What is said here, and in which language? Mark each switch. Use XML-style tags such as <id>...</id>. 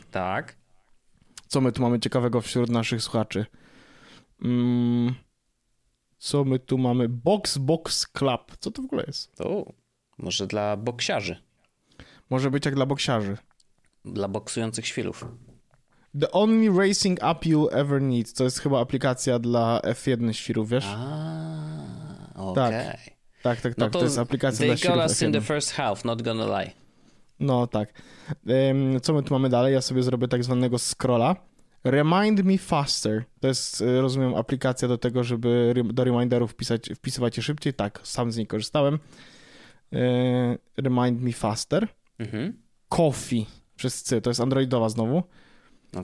<pl>Tak. Co my tu mamy ciekawego wśród naszych słuchaczy? Co my tu mamy? Box Club. Co to w ogóle jest? O, może dla boksiarzy. Może być jak dla boksiarzy. Dla boksujących świrów.</pl> <en>The only racing app you ever need.</en> <pl>To jest chyba aplikacja dla F1 świrów, wiesz? Okay. Tak. No to jest aplikacja dla świrów.</pl> <en>They got us in the first half, not gonna lie.</en> <pl>No tak. Co my tu mamy dalej? Ja sobie zrobię tak zwanego scrolla. Remind me faster. To jest, rozumiem, aplikacja do tego, żeby do reminderów wpisywać je szybciej. Tak, sam z niej korzystałem. Remind Me Faster. Mhm. Coffee przez C, to jest androidowa znowu. Okay.</pl>